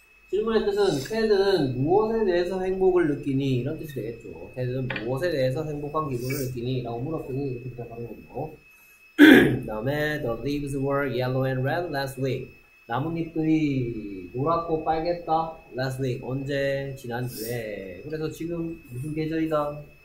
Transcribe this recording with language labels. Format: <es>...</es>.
<ko>질문의 뜻은 테드는 무엇에 대해서 행복을 느끼니? 이런 뜻이 되겠죠. 테드는 무엇에 대해서 행복한 기분을 느끼니? 라고 물었더니 이렇게 대답하는 거고. 그 다음에</ko> <en>The leaves were yellow and red last week.</en> <ko>나뭇잎들이 노랗고 빨갰다?</ko> <en>Last week.</en> <ko>언제? 지난주에. 그래서 지금 무슨 계절이다?</ko>